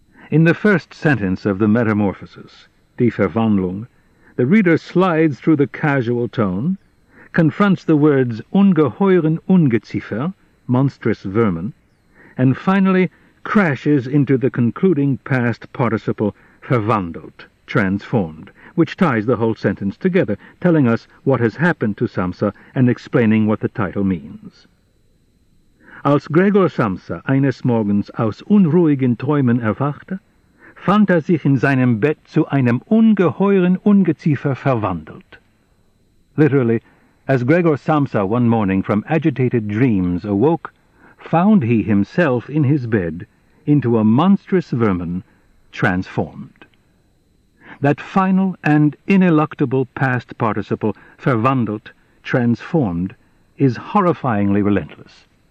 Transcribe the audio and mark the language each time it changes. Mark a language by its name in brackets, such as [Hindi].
[English] In the first sentence of the Metamorphosis, Die Verwandlung, the reader slides through the casual tone, confronts the words [German] ungeheuren Ungeziefer, [English] monstrous vermin, and finally crashes into the concluding past participle verwandelt, transformed, which ties the whole sentence together, telling us what has happened to Samsa and explaining what the title means. [German] Als Gregor Samsa eines Morgens aus unruhigen Träumen erwachte, fand sich in seinem Bett zu einem ungeheuren Ungeziefer verwandelt. [English] Literally, as Gregor Samsa one morning from agitated dreams awoke, found he himself in his bed into a monstrous vermin transformed. That final and ineluctable past participle, verwandelt, transformed, is horrifyingly relentless.